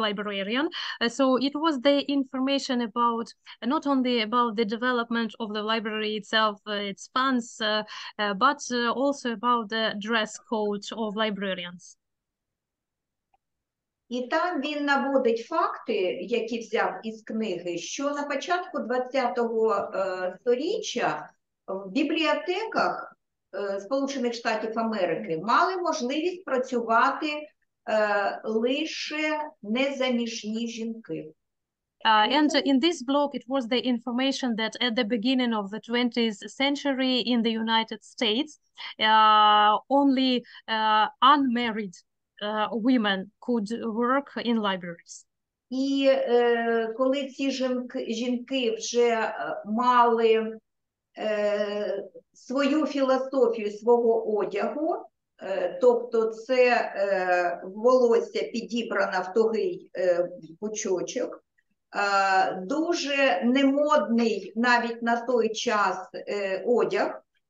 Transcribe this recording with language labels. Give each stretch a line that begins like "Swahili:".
English: Librarian, so it was the information about not only about the development of the library itself, its funds, but also about the dress code of librarians.
Ukrainian: І там він наводить факти, які взяв із книги, що на початку 20-го століття в бібліотеках Сполучених Штатів Америки мали можливість працювати лише незаміжні жінки.
English: And in this blog, it was the information that at the beginning of the 20th century in the United States, only unmarried women could work in libraries.
Ukrainian: І коли ці жінки вже мали свою філософію свого одягу, тобто це волосся підібрано в тугий пучочок, дуже немодний навіть на той час одяг,